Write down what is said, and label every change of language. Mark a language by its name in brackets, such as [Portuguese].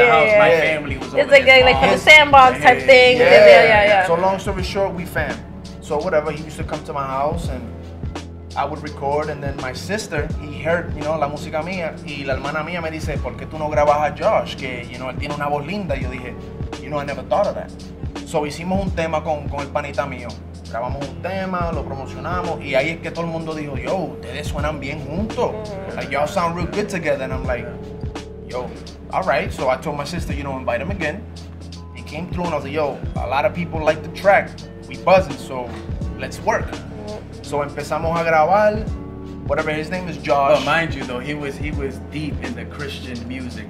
[English] It's like the sandbox type thing. Yeah. So long story short, we fam. So whatever, he used to come to my house and I would record, and then my sister, he heard, you know, [Spanish] la música mía, y la hermana mía me dice, ¿por qué tú no grabas a Josh? Que, [English] you know, [Spanish] él tiene una voz linda. Yo dije, [English] you know, I never thought of that. [Spanish] So hicimos un tema con el panita mío. Grabamos un tema, lo promocionamos, y ahí es que todo el mundo dijo, yo, ustedes suenan bien juntos. [English] Like, y'all sound real good together. And I'm like, yo, all right. So I told my sister, you know, invite him again. He came through and I was like, yo, a lot of people like the track. We buzzing, so let's work. So [Spanish] empezamos a grabar. [English] Whatever, his name is Josh. But mind you though, he was deep in the Christian music.